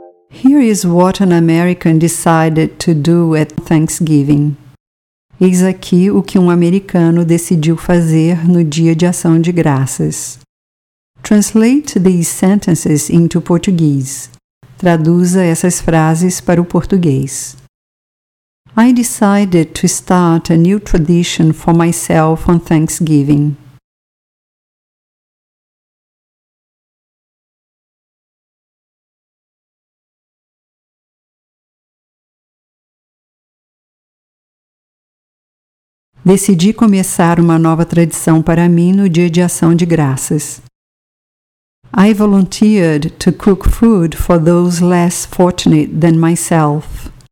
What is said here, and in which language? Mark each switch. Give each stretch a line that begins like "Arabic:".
English: Here is what an American decided to do at Thanksgiving.
Portuguese: Eis aqui o que um americano decidiu fazer no Dia de Ação de Graças.
English: Translate these sentences into Portuguese.
Portuguese: Traduza essas frases para o português.
English: I decided to start a new tradition for myself on Thanksgiving.
Portuguese: Decidi começar uma nova tradição para mim no Dia de Ação de Graças.
English: I volunteered to cook food for those less fortunate than myself.